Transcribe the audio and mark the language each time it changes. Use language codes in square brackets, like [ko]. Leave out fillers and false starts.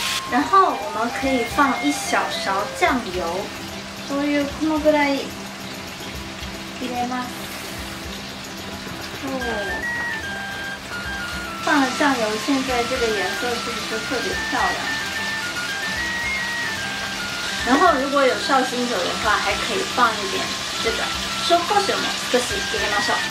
[zh] 然后我们可以放一小勺酱油。 [ja] 醤油このぐらい入れます。 [zh] 哦，放了酱油，现在这个颜色是不是特别漂亮？然后如果有绍兴酒的话，还可以放一点这个 [ja] 紹興酒も少し入れましょう。